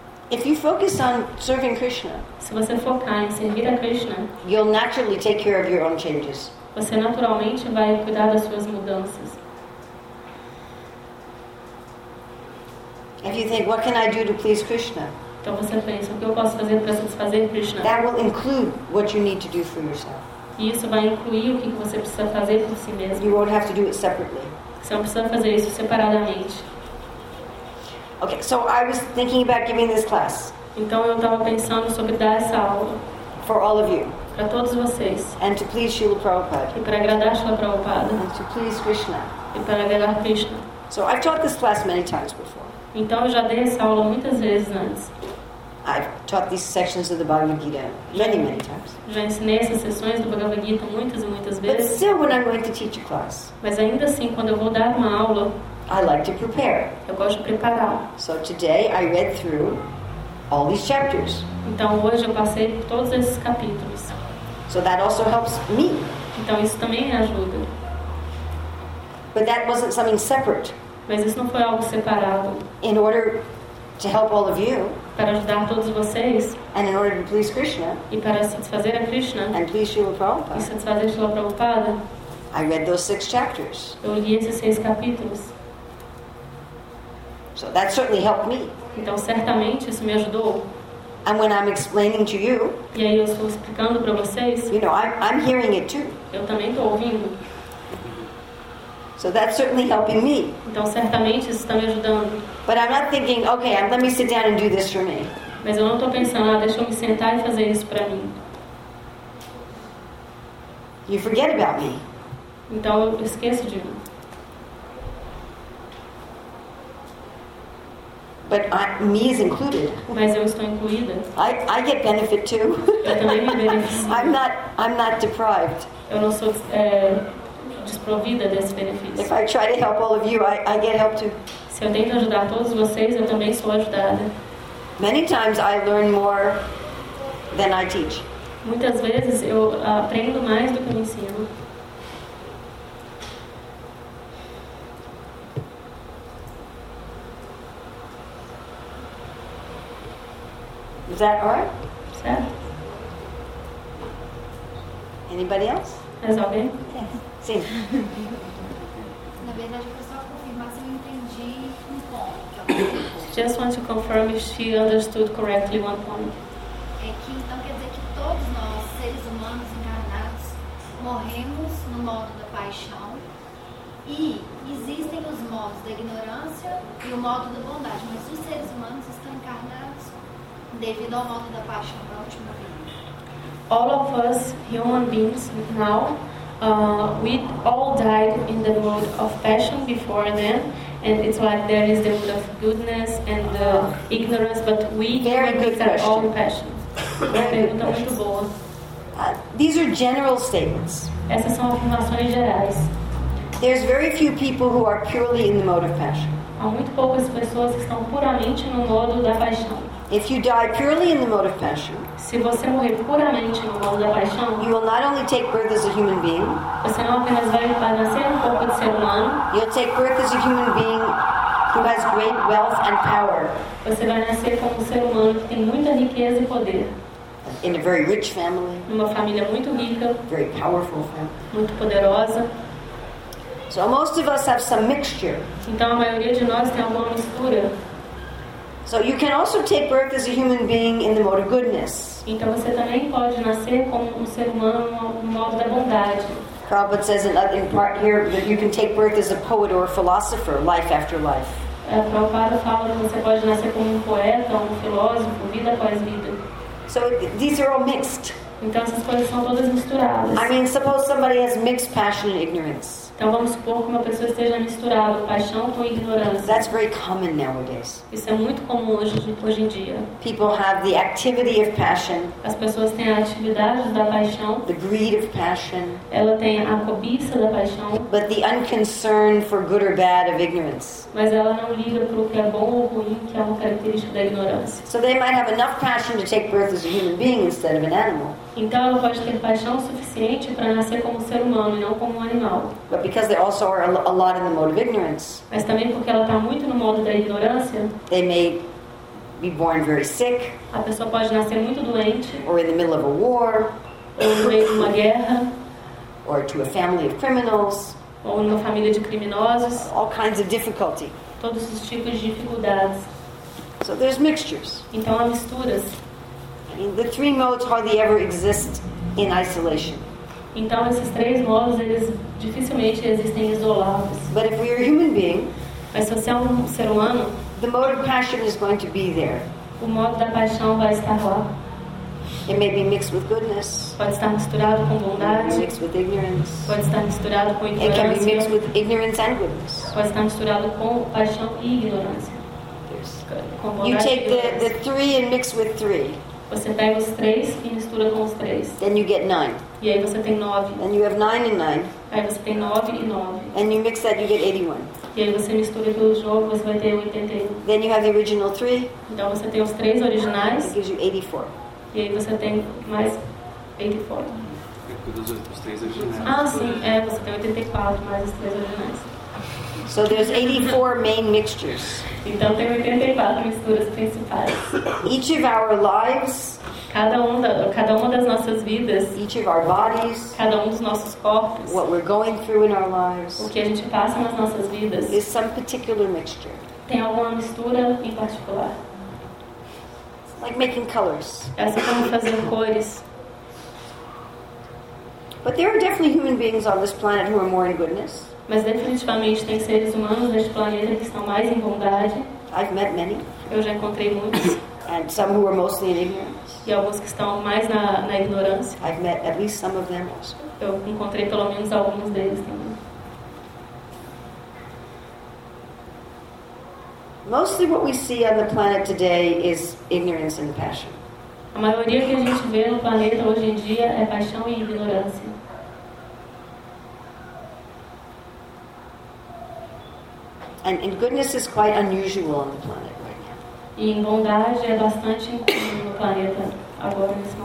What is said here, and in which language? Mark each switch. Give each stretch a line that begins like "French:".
English: If you focus on serving Krishna,
Portuguese: se você focar em servir a Krishna,
English: you'll naturally take care of your own changes.
Portuguese: Você naturalmente vai cuidar das suas mudanças.
English: If you think, what can I do to please Krishna?
Portuguese: Então você pensa, o que eu posso fazer para satisfazer Krishna?
English: That will include what you need to do for yourself.
Portuguese: E isso vai incluir o que você precisa fazer por si mesmo.
English: You won't have to do it separately.
Portuguese: Você não precisa fazer isso separadamente.
English: Okay, so I was thinking about giving this class.
Portuguese: Então eu estava pensando sobre dar essa aula.
English: For all of you.
Portuguese: Para todos vocês.
English: And to please Srila Prabhupada.
Portuguese: E para agradar Srila Prabhupada.
English: And to please Krishna.
Portuguese: E para agradar Krishna.
English: So I've taught this class many times before.
Portuguese: Então eu já dei essa aula muitas vezes antes.
English: I've taught these sections of the Bhagavad Gita many, many times.
Portuguese: Já ensinei essas sessões do Bhagavad Gita muitas e muitas vezes.
English: But still, when I'm going to teach a class.
Portuguese: Mas ainda assim, quando eu vou dar uma aula.
English: I like to prepare.
Portuguese: Eu gosto de preparar.
English: So today I read through all these chapters.
Portuguese: Então hoje eu passei por todos esses capítulos.
English: So that also helps me.
Portuguese: Então isso também me ajuda.
English: But that wasn't something separate.
Portuguese: Mas isso não foi algo separado.
English: In order to help all of you.
Portuguese: Para ajudar todos vocês.
English: And in order to please Krishna.
Portuguese: E para satisfazer a Krishna.
English: And please Srila Prabhupada.
Portuguese: E satisfazer Srila Prabhupada.
English: I read those six chapters.
Portuguese: Eu li esses seis capítulos.
English: So that certainly helped me.
Portuguese: Então certamente isso me ajudou.
English: And when I'm explaining to you,
Portuguese: e aí eu estou explicando para vocês.
English: You know, I'm hearing it too.
Portuguese: Eu também estou ouvindo.
English: So that's certainly helping me.
Portuguese: Então certamente isso está me ajudando.
English: But I'm not thinking, okay, let me sit down and do this for me.
Portuguese: Mas eu não estou pensando, ah, deixa eu me sentar e fazer isso para mim.
English: You forget about me.
Portuguese: Então eu esqueço de mim.
English: But me is included.
Portuguese: Mas eu estou incluída.
English: I get benefit too.
Portuguese: Eu também me beneficio.
English: I'm not deprived.
Portuguese: Eu não sou desprovida desse benefício.
English: If I try to help all of you, I get help too.
Portuguese: Se eu tento ajudar todos vocês, eu também sou ajudada.
English: Many times I learn more than I teach.
Portuguese: Muitas vezes eu aprendo mais do que eu ensino.
English: Is that all right?
Portuguese: Certo.
English: Anybody else?
Portuguese: Mais alguém?
English: Yeah.
Portuguese: Sim. Na verdade, eu só confirmar se eu entendi um ponto.
English: Just want to confirm if she understood correctly one point.
Portuguese: É que então quer dizer que todos nós, seres humanos encarnados, morremos no modo da paixão, E existem os modos da ignorância e o modo da bondade, mas os seres humanos estão encarnados devido ao modo da paixão da última vez.
English: All of us human beings now, we all died in the mode of passion before then, and it's like there is the mode of goodness and the ignorance, but we very good question. Are all passion.
Portuguese: Pergunta muito boa.
English: These are general statements.
Portuguese: Essas são afirmações gerais.
English: There's very few people who are purely in the mode of passion.
Portuguese: Há muito poucas pessoas que estão puramente no modo da paixão.
English: If you die purely in the mode of passion,
Portuguese: se você morrer puramente no modo da paixão,
English: you will not only take birth as a human being,
Portuguese: você não apenas vai nascer no corpo de ser humano,
English: you'll take birth as a human being who has great wealth and power.
Portuguese: Você vai nascer como um ser humano que tem muita riqueza e poder.
English: In a very rich family.
Portuguese: Numa família muito rica.
English: Very powerful family.
Portuguese: Muito poderosa.
English: So most of us have some mixture.
Portuguese: Então a maioria de nós tem alguma mistura.
English: So you can also take birth as a human being in the mode of goodness.
Portuguese: Então você também pode nascer como um ser humano no modo da bondade.
English: Prabhupada says in part here that you can take birth as a poet or a philosopher, life after life.
Portuguese: Prabhupada fala que você pode nascer como um poeta, um filósofo, vida após vida.
English: So these are all mixed.
Portuguese: Então essas coisas são todas misturadas.
English: I mean, suppose somebody has mixed passion and ignorance.
Portuguese: Então vamos supor que uma pessoa esteja misturada paixão com ignorância.
English: That's very common nowadays.
Portuguese: Isso é muito comum hoje em dia.
English: People have the activity of passion.
Portuguese: As pessoas têm a atividade da paixão.
English: The greed of passion.
Portuguese: Ela tem a cobiça da paixão.
English: But the unconcern for good or bad of ignorance.
Portuguese: Mas ela não liga para o que é bom ou ruim, que é uma característica da ignorância.
English: So they might have enough passion to take birth as a human being instead of an animal.
Portuguese: Então ela pode ter paixão suficiente para nascer como ser humano e não como um animal.
English: But because they also are a lot in the mode of ignorance.
Portuguese: Mas também porque ela está muito no modo da ignorância.
English: They may be born very sick.
Portuguese: A pessoa pode nascer muito doente.
English: Or in the middle of a war.
Portuguese: Ou no meio de uma guerra.
English: Or to a family of criminals.
Portuguese: Ou numa família de criminosos.
English: All kinds of difficulty.
Portuguese: Todos os tipos de dificuldades.
English: So there's mixtures.
Portuguese: Então há misturas.
English: I mean, the three modes hardly ever exist in isolation.
Portuguese: Então esses três modos eles dificilmente existem isolados.
English: But if we are human being,
Portuguese: mas se você é um ser humano,
English: the mode of passion is going to be there.
Portuguese: O modo da paixão vai estar lá.
English: It may be mixed with goodness.
Portuguese: Pode estar misturado com bondade.
English: Mixed with ignorance.
Portuguese: Pode estar misturado com ignorância.
English: It can be mixed with ignorance and goodness.
Portuguese: Pode estar misturado com paixão e ignorância.
English: Good. You take the three and mix with three.
Portuguese: Você pega os três e mistura com os três.
English: Then you get nine.
Portuguese: E aí você tem nove.
English: And you have nine and nine.
Portuguese: Aí você tem nove e nove.
English: And you mix that, you get 81.
Portuguese: E aí você mistura tudo de novo, você vai ter 81.
English: Then you have the original three.
Portuguese: Então você tem os três originais.
English: It gives you 84.
Portuguese: E aí você tem mais 84. Os três originais. Ah, sim. É, você tem 84 mais os três originais.
English: So there's 84 main mixtures.
Portuguese: Então tem 84 misturas principais.
English: Each of our lives,
Portuguese: cada uma das nossas vidas,
English: each of our bodies,
Portuguese: cada um dos nossos corpos,
English: what we're going through in our lives,
Portuguese: o que a gente passa nas nossas vidas,
English: is some particular mixture.
Portuguese: Tem alguma mistura em particular.
English: Like making colors.
Portuguese: É assim como fazer cores.
English: But there are definitely human beings on this planet who are more in goodness.
Portuguese: Mas definitivamente tem seres humanos neste planeta que estão mais em bondade.
English: I've met many.
Portuguese: Eu já encontrei muitos.
English: And some who are mostly in ignorance.
Portuguese: E alguns que estão mais na ignorância.
English: I've met at least some of them also.
Portuguese: Eu encontrei pelo menos alguns deles também.
English: Mostly what we see on the planet today is ignorance and passion.
Portuguese: A maioria que a gente vê no planeta hoje em dia é paixão e ignorância.
English: And goodness is quite unusual on the planet right now.
Portuguese: E bondade é bastante incomum no planeta agora mesmo.